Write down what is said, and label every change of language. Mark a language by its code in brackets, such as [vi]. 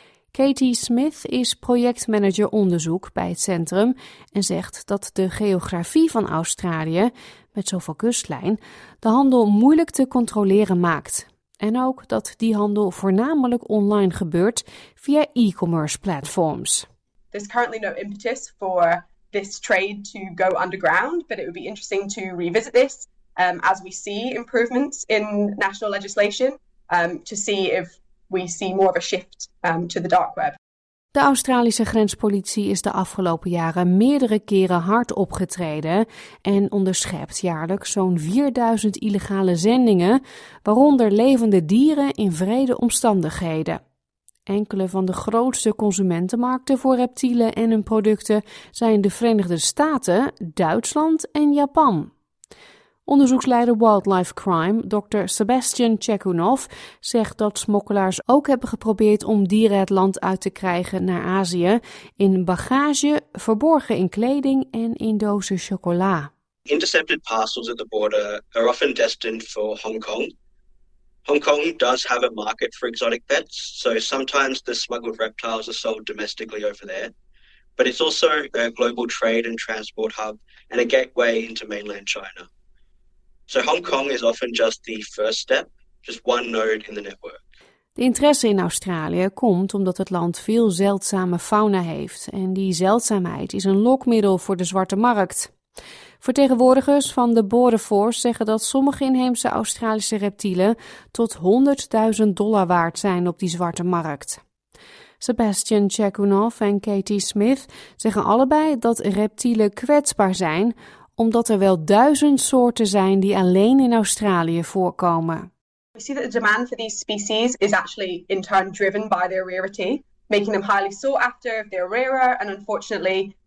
[nl] Katie Smith is projectmanager onderzoek bij het centrum en zegt dat de geografie van Australië, met zoveel kustlijn, de handel moeilijk te controleren maakt. En ook dat die handel voornamelijk online gebeurt via e-commerce platforms. [en] There's currently no impetus for this trade to go underground, but it would be interesting to revisit this as we see improvements in national legislation to see if we see more of a shift to the dark web. [nl] De Australische grenspolitie is de afgelopen jaren meerdere keren hard opgetreden en onderschept jaarlijks zo'n 4000 illegale zendingen, waaronder levende dieren in vrede omstandigheden. Enkele van de grootste consumentenmarkten voor reptielen en hun producten zijn de Verenigde Staten, Duitsland en Japan. Onderzoeksleider Wildlife Crime, Dr. Sebastian Chekunov, zegt dat smokkelaars ook hebben geprobeerd om dieren het land uit te krijgen naar Azië in bagage, verborgen in kleding en in dozen chocola. [en] Intercepted parcels at the border are often destined for Hong Kong. Hong Kong does have a market for exotic pets, so sometimes the smuggled reptiles are sold domestically over there. But it's also a global trade and transport hub and a gateway into mainland China. So Hong Kong is often just the first step, just one node in the network. [nl] De interesse in Australië komt omdat het land veel zeldzame fauna heeft en die zeldzaamheid is een lokmiddel voor de zwarte markt. Vertegenwoordigers van de Border Force zeggen dat sommige inheemse Australische reptielen tot $100,000 waard zijn op die zwarte markt. Sebastian Chekunov en Katie Smith zeggen allebei dat reptielen kwetsbaar zijn, omdat er wel 1000 soorten zijn die alleen in Australië voorkomen. [en] We see that the demand for these species is actually in turn driven by their rarity, making them highly sought after if they're rarer, and unfortunately